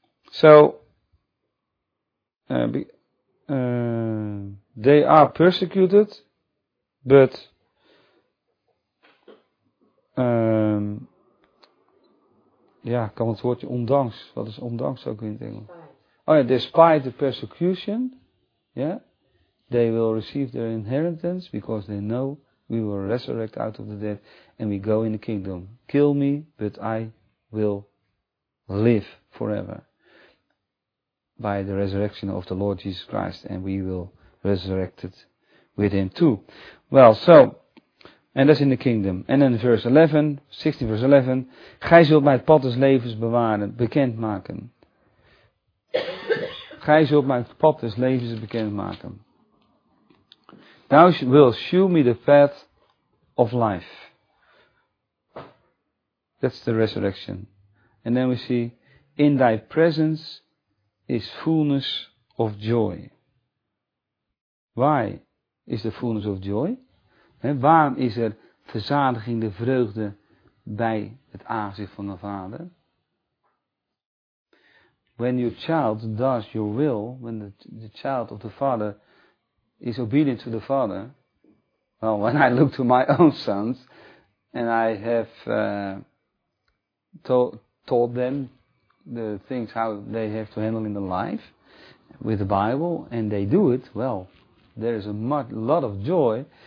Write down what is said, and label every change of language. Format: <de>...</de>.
<en>So, they are persecuted, but</en> <nl>Ja, kan het woordje ondanks. Wat is ondanks ook in het Engels? Oh ja,</nl> <en>despite the persecution. Ja. Yeah, they will receive their inheritance because they know we will resurrect out of the dead and we go in the kingdom. Kill me, but I will live forever by the resurrection of the Lord Jesus Christ, and we will resurrect it with him too. Well, so, and that's in the kingdom. And then verse 11,</en> <nl>16 verse 11, gij zult mij het pad des levens bewaren, bekend maken. Gij zult mij het pad des levens bekend maken.</nl> <en>Thou will show me the path of life. That's the resurrection. And then we see, in thy presence is fullness of joy. Why is the fullness of joy?</en> <nl>Waarom is er verzadiging, de vreugde bij het aangezicht van de Vader?</nl> <en>When your child does your will, when the child of the Father is obedient to the Father. Well, when I look to my own sons and I have taught them the things how they have to handle in the life with the Bible, and they do it, well, there is a lot of joy.</en>